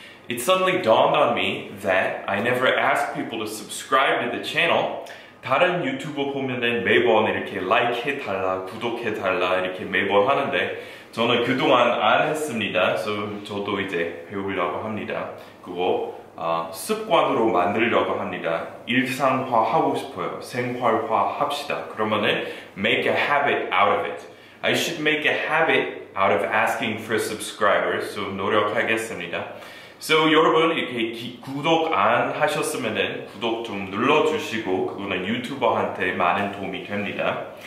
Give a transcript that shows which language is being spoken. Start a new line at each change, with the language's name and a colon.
English: It suddenly dawned on me that I never asked people to subscribe to the channel.
Korean: 다른 유튜버 보면은 매번 이렇게 like 해달라, 구독해달라 이렇게 매번 하는데 저는 그동안 안 했습니다. So 저도 이제 배우려고 합니다. 그거 습관으로 만들려고 합니다. 일상화 하고 싶어요. 생활화 합시다.
English: 그러면은 make a habit out of it. I should make a habit out of asking for subscribers.
Korean: So 노력하겠습니다. So 여러분 이렇게 구독 안 하셨으면은 구독 좀 눌러주시고 그거는 유튜버한테 많은 도움이 됩니다.